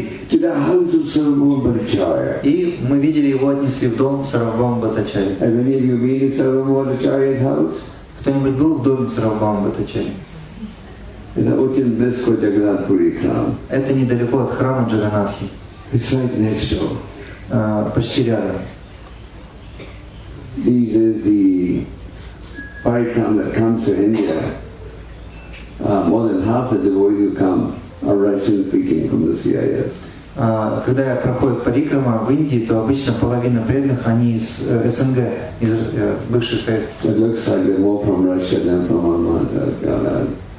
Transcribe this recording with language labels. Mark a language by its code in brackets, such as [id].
[ru] И мы видели, его отнесли в дом Сарвабхама Бхаттачарья. Кто-нибудь был в доме Сарвабхама Бхаттачарья? Это очень близко от Джаганатхпури храм. Это недалеко от храма Джаганатхи. [en] It's right next to. [ru] Почти рядом. [en] This is the Parikram that comes to India. More than half the devotees who come are Russian speaking from the CIS. [ru] Когда я проходил Парикрама в Индии, то обычно половина преданных они из СНГ, из бывших Советских. [en] It looks like they're more from Russia than from Oman.